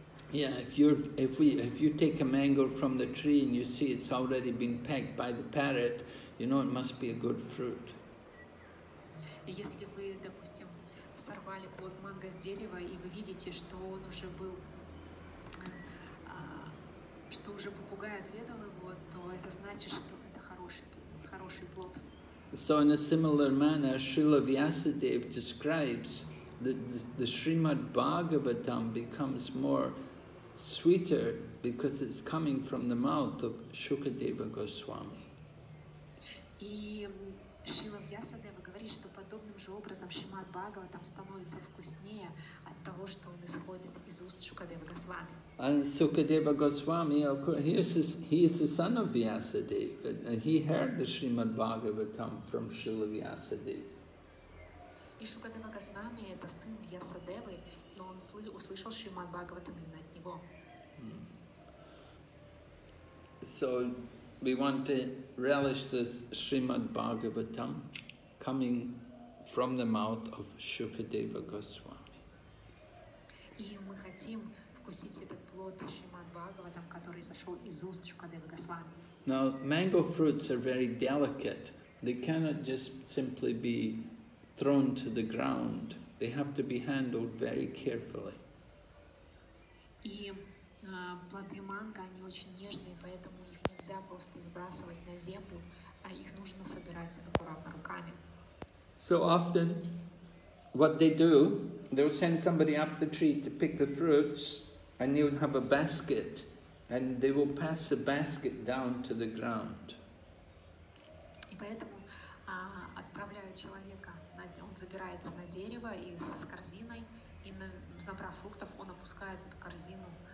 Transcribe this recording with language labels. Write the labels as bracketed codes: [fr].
[en] Yeah, if you take a mango from the tree and you see it's already been pecked by the parrot, you know it must be a good fruit. [ru] Если вы, допустим, сорвали плод манго с дерева, и вы видите, что он уже был что уже попугай отведал его, то это значит, что это хороший плод. [en] So in a similar manner, Srila Vyasadeva describes that the Srimad Bhagavatam becomes more sweeter because it's coming from the mouth of Shukadeva Goswami. [ru] И Шрила Вьясадева говорит, что подобным же образом Шримад Бхагаватам становится вкуснее от того, что он исходит из уст Шукадева Госвами. [en] And Sukadeva Goswami, of course, he is the son of Vyasadeva. He heard the Srimad Bhagavatam from Srila Vyasadeva. [ru] И Шукадева Госвами это сын Вьясадевы, и он услышал Шримад Бхагаватам именно от него. [en] So we want to relish this Srimad Bhagavatam coming from the mouth of Shukadeva Goswami. [ru] И мы хотим вкусить этот плод Шримад Бхагаватам, который сошел из уст Шукадевы Госвами. [en] Now mango fruits are very delicate. They cannot just simply be thrown to the ground. They have to be handled very carefully. [ru] И плоды манго, они очень нежные, поэтому их нельзя просто сбрасывать на землю, а их нужно собирать аккуратно руками. [en] So often, what they do, they will send somebody up the tree to pick the fruits, and they would have a basket, and they will pass the basket down to the ground. [ru] И поэтому отправляют человека, он забирается на дерево и с корзиной, и набрав фруктов, он опускает эту корзину.